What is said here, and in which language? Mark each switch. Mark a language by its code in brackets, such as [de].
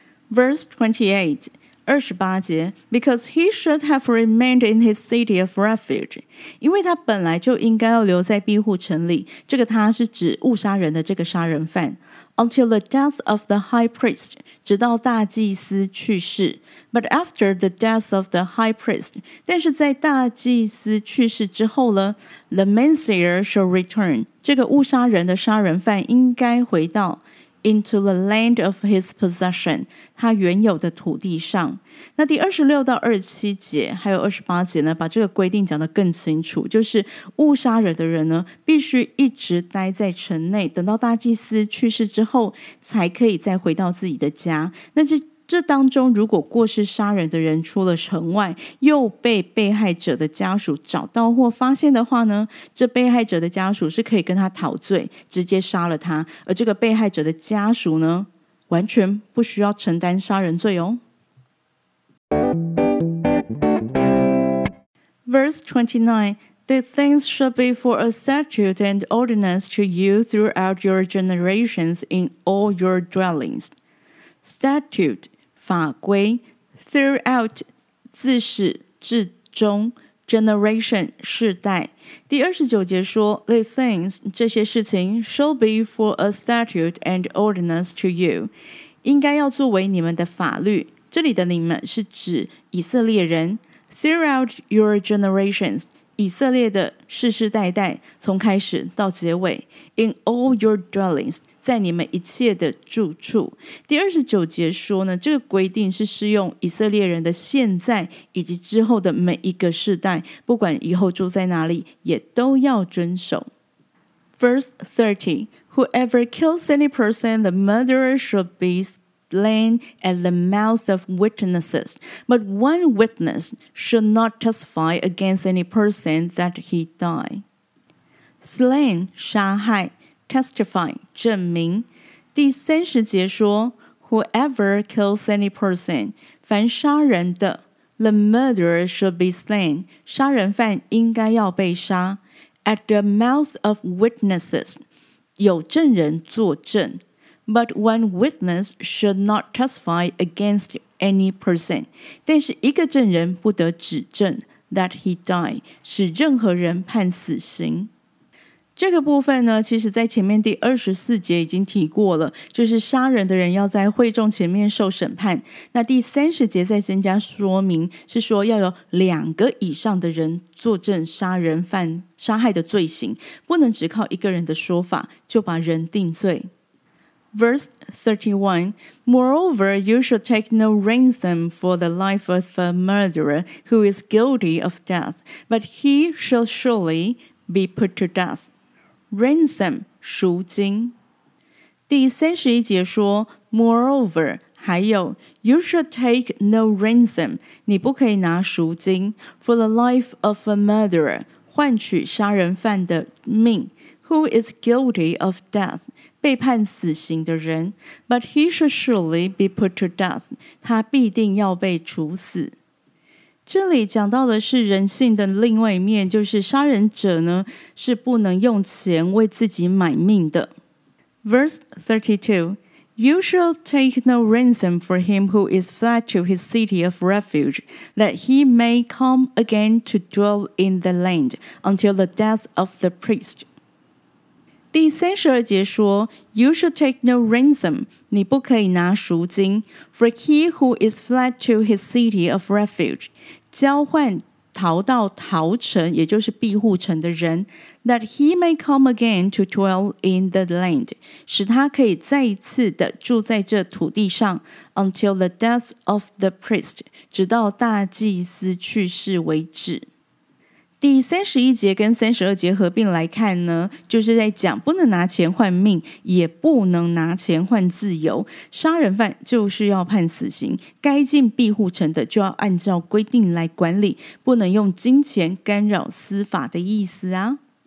[en] Verse 28节 Because he should have remained in his city of refuge [zh] 因为他本来就应该要留在庇护城里这个他是指误杀人的这个杀人犯 [en] Until the death of the high priest [zh] 直到大祭司去世 [en] But after the death of the high priest [zh] 但是在大祭司去世之后呢 [en] The manslayer shall return [zh] 这个误杀人的杀人犯应该回到 [en] into the land of his possession, [zh] 他原有的土地上。那第二十六到二十七节还有二十八节呢，把这个规定讲得更清楚，就是误杀人的人呢必须一直待在城内，等到大祭司去世之后才可以再回到自己的家。那这当中如果过失杀人的人出了城外，又被被害者的家属找到或发现的话呢，这被害者的家属是可以跟他讨罪，直接杀了他，而这个被害者的家属呢完全不需要承担杀人罪哦。 [en] Verse 29, these things shall be for a statute and ordinance to you throughout your generations in all your dwellings. [zh] Statute法规 throughout 自始至终 generation 世代。第二十九节说 [en] these things [zh] 这些事情 [en] shall be for a statute and ordinance to you [zh] 应该要作为你们的法律，这里的你们是指以色列人。 [en] throughout your generations [zh] 以色列的世世代代，从开始到结尾。 [en] in all your dwellings [zh] 在你们一切的住处。第二十九节说呢，这个规定是适用以色列人的现在以及之后的每一个世代，不管以后住在哪里也都要遵守。 [en] Verse 30, whoever kills any person, the murderer shall be slain at the mouth of witnesses, but one witness should not testify against any person that he died. [zh] Slain 杀害，testify 证明。第三十节说 [en] whoever kills any person [zh] 凡杀人的， [en] the murderer should be slain [zh] 杀人犯应该要被杀。 [en] at the mouth of witnesses [zh] 有证人作证， [en] but one witness should not testify against any person [zh] 但是一个证人不得指证 [en] that he died [zh] 使任何人判死刑。这个部分呢，其实在前面第二十四节已经提过了，就是杀人的人要在会众前面受审判。那第三十节再增加说明，是说要有两个以上的人作证杀人犯杀害的罪行，不能只靠一个人的说法就把人定罪。 [en] Verse 31, moreover, you should take no ransom for the life of a murderer who is guilty of death, but he shall surely be put to death. [zh] Ransom 赎金。第三十一节说 Moreover 还有 [en] You should take no ransom [zh] 你不可以拿赎金 [en] For the life of a murderer [zh] 换取杀人犯的命。 [en] Who is guilty of death [zh] 被判死刑的人。 [en] But he should surely be put to death [zh] 他必定要被处死。这里讲到的是人性的另外一面，就是杀人者呢是不能用钱为自己买命的。 [en] Verse 32, You shall take no ransom for him who is fled to his city of refuge, that he may come again to dwell in the land until the death of the priest. 第三十二节说 You shall take no ransom, [zh] 你不可以拿赎金 [en] for he who is fled to his city of refuge, [zh] 交换逃到逃城，也就是庇护城的人 [en] that he may come again to dwell in the land [zh] 使他可以再一次的住在这土地上 [en] until the death of the priest [zh] 直到大祭司去世为止。第三十一节跟三十二节合并来看呢，就是在讲不能拿钱换命，也不能拿钱换自由。杀人犯就是要判死刑，该进庇护城的就要按照规定来管理，不能用金钱干扰司法的意思啊。